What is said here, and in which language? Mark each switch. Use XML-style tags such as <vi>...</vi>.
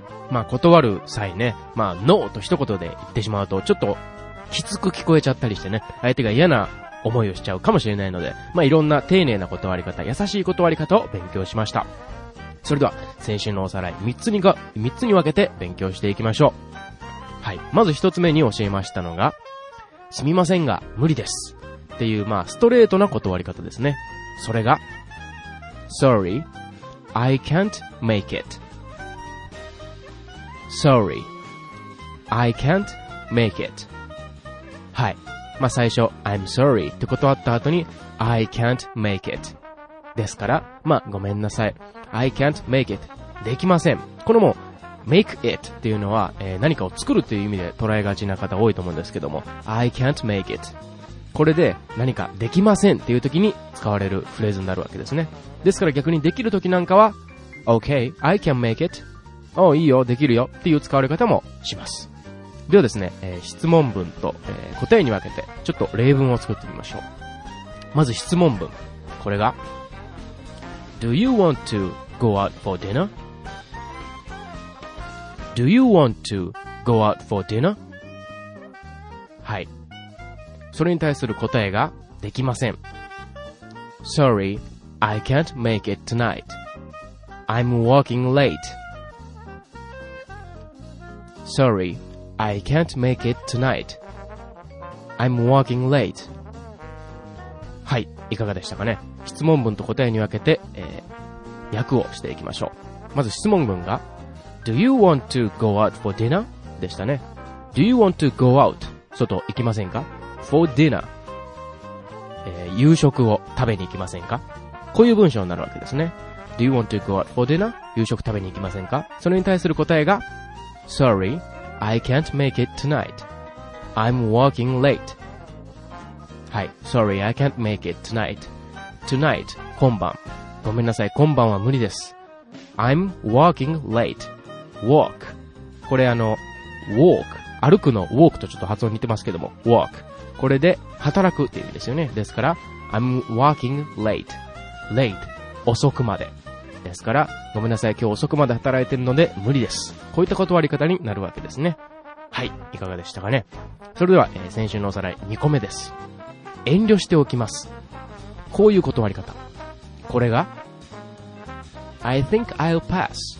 <ja>まあ、断る際ね、まあ、ノーと一言で言ってしまうと、ちょっと、きつく聞こえちゃったりしてね、相手が嫌な思いをしちゃうかもしれないので、まあ、いろんな丁寧な断り方、優しい断り方を勉強しました。それでは、先週のおさらい、三つに分けて勉強していきましょう。はい。まず一つ目に教えましたのが、すみませんが、無理です。っていう、まあ、ストレートな断り方ですね。</ja> <en>それが、Sorry, I can't make it. Sorry, I can't make it.</en> <ja>はい。まあ、最初、</ja> <en>I'm sorry</en> <ja>って断った後に、</ja> <en>I can't make it.</en> <ja>ですから、まあ、ごめんなさい。</ja> <en>I can't make it.</en> <ja>できません。このも、make it っていうのは、何かを作るっていう意味で捉えがちな方多いと思うんですけども、</ja> <en>I can't make it.</en> <ja>これで何かできませんっていう時に使われるフレーズになるわけですね。ですから逆にできる時なんかは</ja> <en>OK, I can make it.</en> <ja>おー、いいよ、できるよっていう使われ方もします。ではですね、質問文と、答えに分けてちょっと例文を作ってみましょう。まず質問文、これが</ja> <en>Do you want to go out for dinner? Do you want to go out for dinner?</en> <ja>はい。それに対する答えができません。</ja> <en>Sorry, I can't make it tonight. I'm working late. Sorry, I can't make it tonight. I'm working late.</en> <ja>はい、いかがでしたかね。質問文と答えに分けて、訳をしていきましょう。まず質問文が</ja> <en>Do you want to go out for dinner?</en> <ja>でしたね。</ja> <en>Do you want to go out?</en> <ja>外行きませんか？</ja> <en>For dinner、</en> <ja>夕食を食べに行きませんか。こういう文章になるわけですね。</ja> <en>Do you want to go out for dinner?</en> <ja>夕食食べに行きませんか。</ja> <en>それに対する答えが Sorry, I can't make it tonight. I'm working late.</en> <ja>はい。</ja> <en>Sorry, I can't make it tonight. Tonight,</en> <ja>今晩。ごめんなさい、今晩は無理です。</ja> <en>I'm working late.</en> <ja>Walk、 これ Walk、 歩くの Walk とちょっと発音似てますけども Walk、これで働くっていう意味ですよね。ですから</ja> <en>I'm working late.</en> <ja>Late、 遅くまでですから、ごめんなさい、今日遅くまで働いてるので無理です。こういった断り方になるわけですね。はい、いかがでしたかね。それでは、先週のおさらい2個目です。遠慮しておきます。こういう断り方、これが</ja> <en>I think I'll pass.</en>